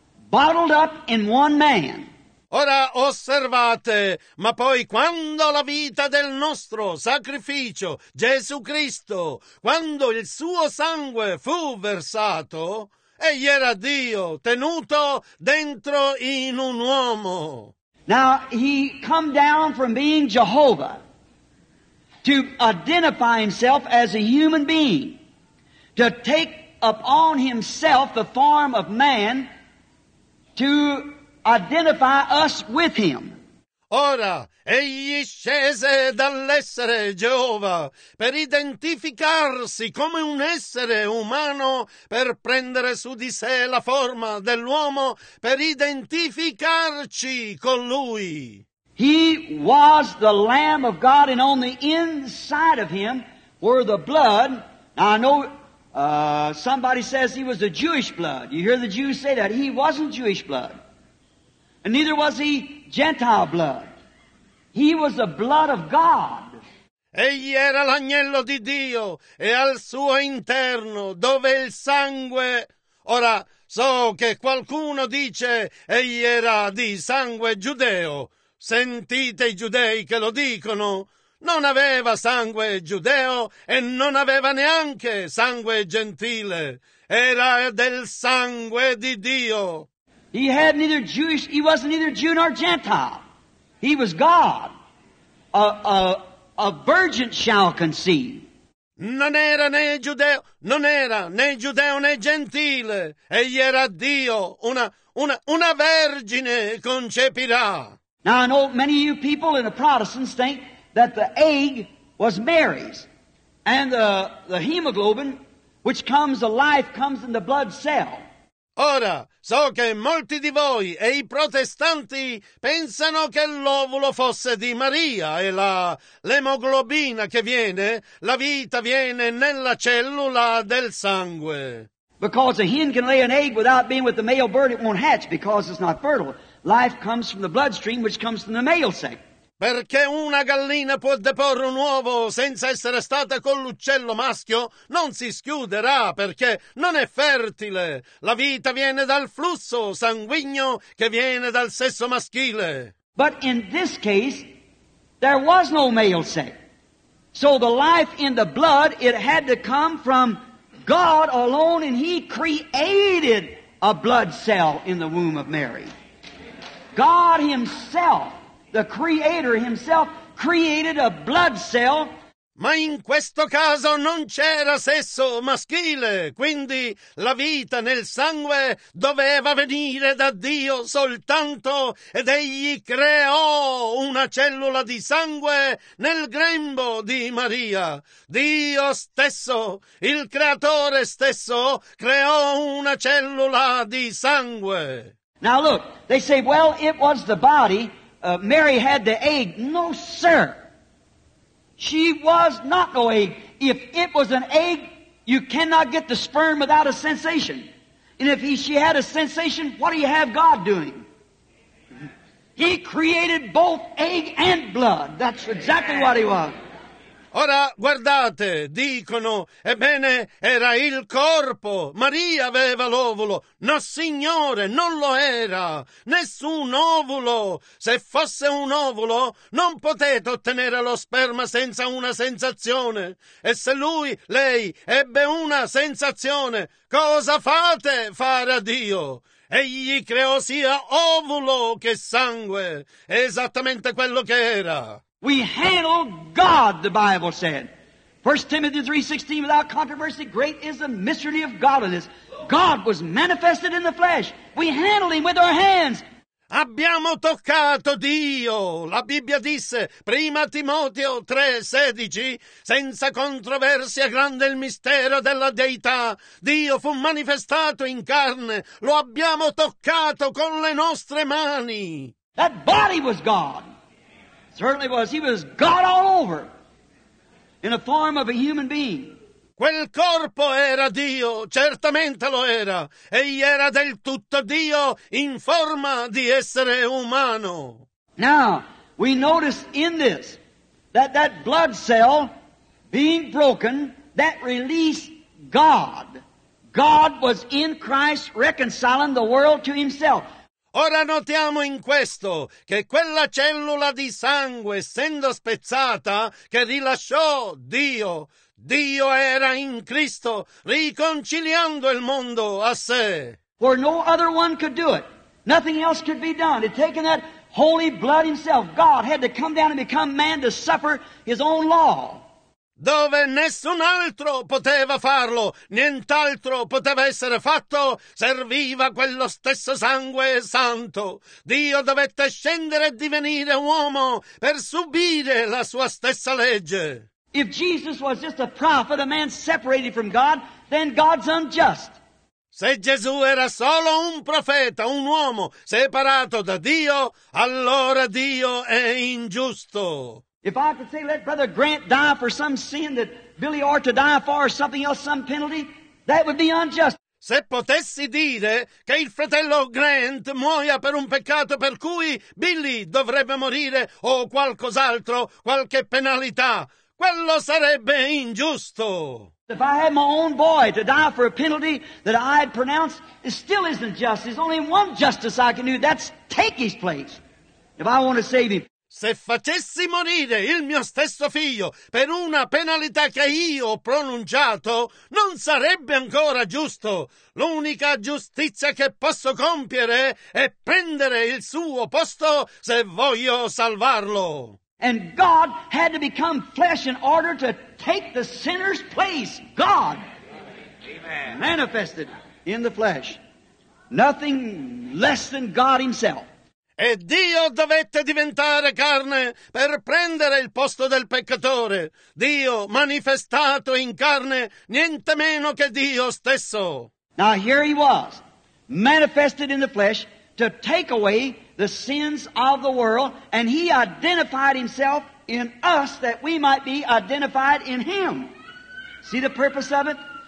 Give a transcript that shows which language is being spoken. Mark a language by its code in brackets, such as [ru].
[en] Bottled up in one man. [it] Ora osservate, ma poi quando la vita del nostro sacrificio, Gesù Cristo, quando il suo sangue fu versato, egli era Dio tenuto dentro in un uomo. [en] Now he come down from being Jehovah to identify himself as a human being, to take upon himself the form of man, to identify us with him. [it] Ora, egli scese dall'essere Geova per identificarsi come un essere umano, per prendere su di sé la forma dell'uomo, per identificarci con lui. [en] He was the Lamb of God, and on the inside of him were the blood. Now, I know somebody says he was the Jewish blood. You hear the Jews say that. He wasn't Jewish blood. And neither was he Gentile blood. He was the blood of God. [it] Egli era l'agnello di Dio, e al suo interno, dove il sangue... Ora, so che qualcuno dice, egli era di sangue giudeo. Sentite i giudei che lo dicono. Non aveva sangue giudeo e non aveva neanche sangue gentile. Era del sangue di Dio. [en] He had neither Jewish, he wasn't neither Jew nor Gentile. He was God. A virgin shall conceive. [it] Non era né giudeo, non era né giudeo né gentile. Egli era Dio. Una vergine concepirà. [en] Now I know many of you people in the Protestants think that the egg was Mary's, and the hemoglobin, which comes, the life comes in the blood cell. [it] Ora, so che molti di voi e i protestanti pensano che l'ovulo fosse di Maria e l'emoglobina che viene, la vita viene nella cellula del sangue. [en] Because a hen can lay an egg without being with the male bird, it won't hatch because it's not fertile. Life comes from the bloodstream, which comes from the male sac. [it] Perché una gallina può deporre un uovo senza essere stata con l'uccello maschio? Non si schiuderà perché non è fertile. La vita viene dal flusso sanguigno che viene dal sesso maschile. [en] But in this case, there was no male sex. So the life in the blood, it had to come from God alone, and He created a blood cell in the womb of Mary. God Himself, the Creator Himself, created a blood cell. [it] Ma in questo caso non c'era sesso maschile, quindi la vita nel sangue doveva venire da Dio soltanto, ed Egli creò una cellula di sangue nel grembo di Maria. Dio stesso, il Creatore stesso, creò una cellula di sangue. [en] Now look, they say, well, it was the body, Mary had the egg. No, sir. She was not no egg. If it was an egg, you cannot get the sperm without a sensation. And if she had a sensation, what do you have God doing? He created both egg and blood. That's exactly what He was. [it] Ora, guardate, dicono, ebbene, era il corpo. Maria aveva l'ovulo. No, signore, non lo era. Nessun ovulo. Se fosse un ovulo, non potete ottenere lo sperma senza una sensazione. E se lei, ebbe una sensazione, cosa fate fare a Dio? Egli creò sia ovulo che sangue. Esattamente quello che era. [en] We handle God, the Bible said. 1 Timothy 3:16, without controversy, great is the mystery of godliness. God was manifested in the flesh. We handle Him with our hands. [it] Abbiamo toccato Dio. La Bibbia disse, 1 Timoteo 3:16, senza controversia grande il mistero della Deità. Dio fu manifestato in carne. Lo abbiamo toccato con le nostre mani. [en] That body was God. Certainly was. He was God all over in the form of a human being. [it] Quel corpo era Dio, certamente lo era. Egli era del tutto Dio in forma di essere umano. [en] Now, we notice in this that blood cell being broken, that released God. God was in Christ reconciling the world to Himself. [it] Ora notiamo in questo che quella cellula di sangue, essendo spezzata, che rilasciò Dio, Dio era in Cristo, riconciliando il mondo a sé. [en] For no other one could do it. Nothing else could be done. It taken that holy blood Himself. God had to come down and become man to suffer His own law. [it] Dove nessun altro poteva farlo, nient'altro poteva essere fatto, serviva quello stesso sangue santo. Dio dovette scendere e divenire uomo per subire la sua stessa legge. [en] If Jesus was just a prophet, a man separated from God, then God's unjust. [it] Se Gesù era solo un profeta, un uomo separato da Dio, allora Dio è ingiusto. [en] If I could say, let Brother Grant die for some sin that Billy ought to die for, or something else, some penalty, that would be unjust. [it] Se potessi dire che il fratello Grant muoia per un peccato per cui Billy dovrebbe morire, o qualcos'altro, qualche penalità, quello sarebbe ingiusto. [en] If I had my own boy to die for a penalty that I had pronounced, it still isn't just. There's only one justice I can do, that's take his place. If I want to save him. [it] Se facessi morire il mio stesso figlio per una penalità che io ho pronunciato, non sarebbe ancora giusto. L'unica giustizia che posso compiere è prendere il suo posto se voglio salvarlo. [en] And God had to become flesh in order to take the sinner's place. God manifested in the flesh. Nothing less than God Himself. [it] E Dio dovette diventare carne per prendere il posto del peccatore. Dio manifestato in carne, niente meno che Dio stesso. [en] Now here He was, manifested in the flesh to take away the sins of the world, and He identified Himself in us that we might be identified in Him. See the purpose of it?